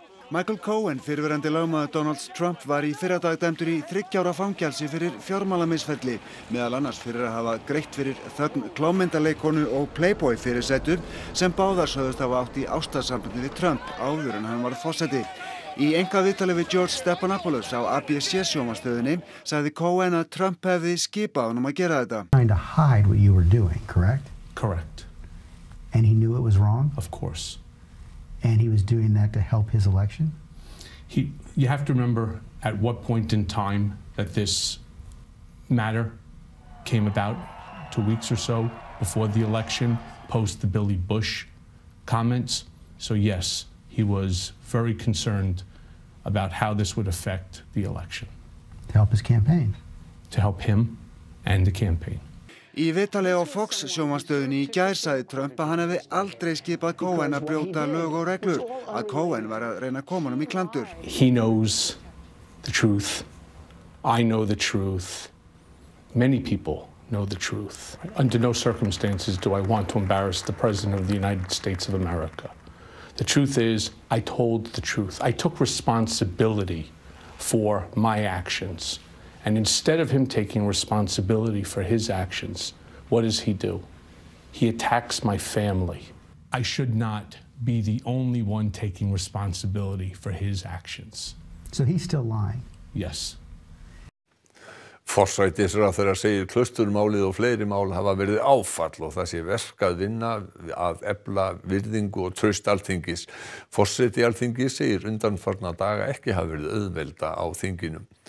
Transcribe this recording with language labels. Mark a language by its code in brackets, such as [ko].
[is] Michael Cohen, fyrrverandi lögmaður Donalds Trump, var í fyrradag dæmdur í 3 ára fangelsi fyrir fjármálamisferli, meðal annars fyrir að hafa greitt fyrir þögn klámyndaleikonu og Playboy fyrirsætu sem báðar sögðust hafa átt í ástarsambandi við Trump áður en hann varð forseti. Í einkað viðtali við George Stephanopoulos á ABC sjónvarpsstöðinni sagði Cohen að Trump hefði skipað honum að gera þetta. [en] Trying to hide what you were doing, correct? Correct. And he knew it was wrong? Of course. And he was doing that to help his election? You have to remember at what point in time that this matter came about, 2 weeks or so before the election, post the Billy Bush comments. So yes, he was very concerned about how this would affect the election. To help his campaign? To help him and the campaign. [is] Í viðtali á Fox sjónvarpsstöðinni í gær sagði Trump að hann hefði aldrei skipað Cohen að brjóta lög og reglur, að Cohen var að reyna að koma honum í klandur. [en] He knows the truth. I know the truth. Many people know the truth. Under no circumstances do I want to embarrass the president of the United States of America. The truth is, I told the truth. I took responsibility for my actions. And instead of him taking responsibility for his actions, what does he do? He attacks my family. I should not be the only one taking responsibility for his actions. So he's still lying? Yes. [is] Forsætisráðherra segir klausturmálið og fleiri mál hafa verið áfall og það sé verk að vinna að efla virðingu og traust Alþingis. Forseti Alþingis segir undanfarna daga ekki hafa verið auðvelda á þinginu.